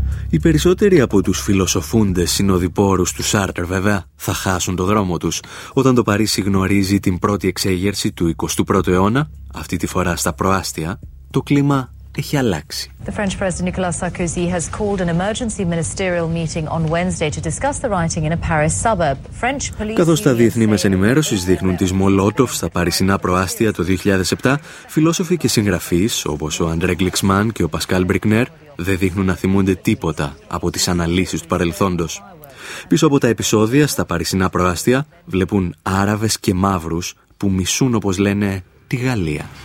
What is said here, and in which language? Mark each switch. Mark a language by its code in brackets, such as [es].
[el] Οι περισσότεροι από τους φιλοσοφούντες συνοδοιπόρους του Σάρτρ, βέβαια, θα χάσουν το δρόμο τους όταν το Παρίσι γνωρίζει την πρώτη εξέγερση του 21ου αιώνα, αυτή τη φορά στα προάστια, το κλίμα έχει αλλάξει. [en] The French President Nicolas Sarkozy has called an emergency ministerial meeting on Wednesday to discuss the rioting in a Paris suburb. French police. [el] Καθώς τα διεθνή μέσα ενημέρωσης δείχνουν τις Μολότοφ στα παρισινά προάστια το 2007, φιλόσοφοι και συγγραφείς όπως ο Αντρέ Γκλιξμάν και ο Πασκάλ Μπρικνέρ δεν δείχνουν να θυμούνται τίποτα από τις αναλύσεις του παρελθόντος. Πίσω από τα επεισόδια στα παρισινά προάστια βλέπουν Άραβες και Μαύρους που μισούν, όπως λένε, τη Γαλλία.